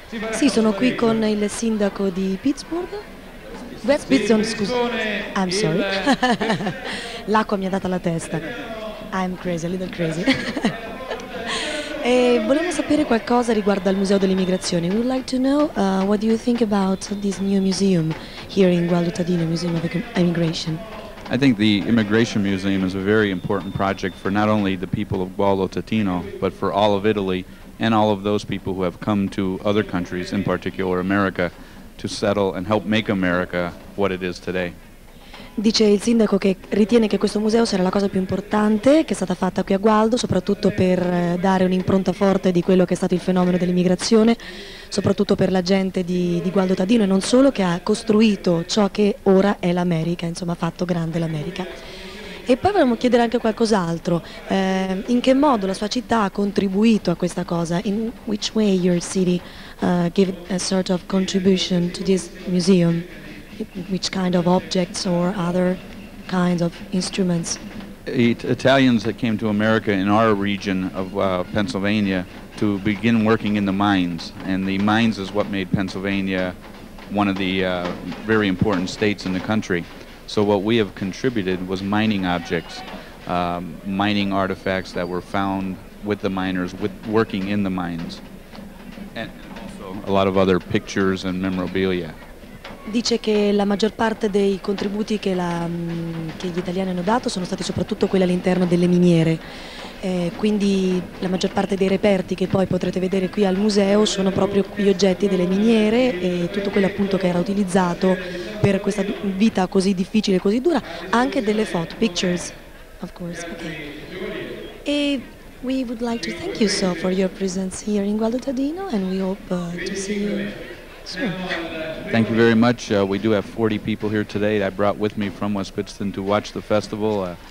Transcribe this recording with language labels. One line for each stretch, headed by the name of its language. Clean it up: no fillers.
Italian: Sì, sono qui con il sindaco di Pittsburgh.
English: I'm sorry.
Italian: L'acqua mi ha data la testa.
English: I'm crazy, a little crazy.
Italian: E volevo sapere qualcosa riguardo al Museo dell'Immigrazione.
English: We would like to know what do you think about this new museum here in Gualdutadino, Museum of Immigration. I think the Immigration Museum is a very important project for not only the people of Gualdutadino, but for all of Italy and all of those people who have come to other countries, in particular America, to settle and help make America what it is today.
Italian: Dice il sindaco che ritiene che questo museo sarà la cosa più importante che è stata fatta qui a Gualdo, soprattutto per dare un'impronta forte di quello che è stato il fenomeno dell'immigrazione, soprattutto per la gente di Gualdutadino e non solo, che ha costruito ciò che ora è l'America, insomma ha fatto grande l'America. E poi volevamo chiedere anche qualcos'altro. In che modo la sua città ha contribuito a questa cosa?
English: In which way your city gave a sort of contribution to this museum? Which kind of objects or other kinds of instruments? Italians that came to America in our region of Pennsylvania to begin working in the mines. And the mines is what made Pennsylvania one of the very important states in the country. So what we have contributed was mining objects, mining artifacts that were found with the miners, with working in the mines, and also a a lot of other pictures and memorabilia.
Italian: Dice che la maggior parte dei contributi che, che gli italiani hanno dato sono stati soprattutto quelli all'interno delle miniere. Quindi la maggior parte dei reperti che poi potrete vedere qui al museo sono proprio gli oggetti delle miniere e tutto quello appunto che era utilizzato per questa vita così difficile e così dura, anche delle foto,
English: pictures, of course. Okay. E we would like to thank you so for your presence here in Gualdotadino and we hope to see you. Sure. Thank you very much. We do have 40 people here today that I brought with me from West Pittston to watch the festival.